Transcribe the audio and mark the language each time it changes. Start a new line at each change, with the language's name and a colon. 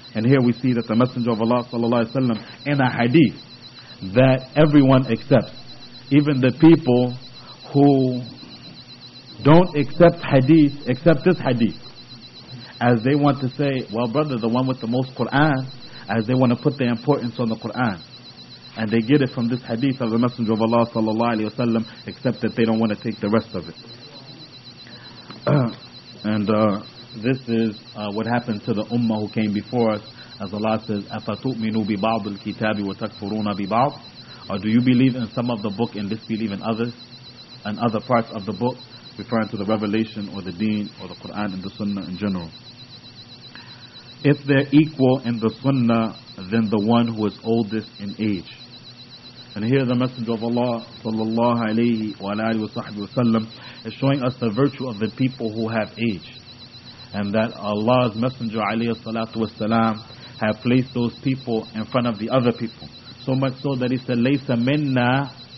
English: And here we see that the Messenger of Allah sallallahu alayhi wa sallam, in a hadith that everyone accepts, even the people who don't accept hadith, accept this hadith, as they want to say, well, brother, the one with the most Qur'an, as they want to put their importance on the Qur'an. And they get it from this hadith of the Messenger of Allah sallallahu alayhi wa sallam, except that they don't want to take the rest of it. And this is what happened to the ummah who came before us.
Arabic: As Allah says, أَفَتُؤْمِنُوا بِبَعْضِ الْكِتَابِ وَتَكْفُرُونَ بِبَعْضِ.
English: Or do you believe in some of the book and disbelieve in others? And other parts of the book, referring to the revelation or the deen or the Qur'an and the sunnah in general. If they're equal in the sunnah, than the one who is oldest in age. And here the Messenger of Allah sallallahu alayhi wa alayhi wa sallam is showing us the virtue of the people who have age, and that Allah's Messenger alayhi salatu wa sallam have placed those people in front of the other people, so much so that he said, laysa minna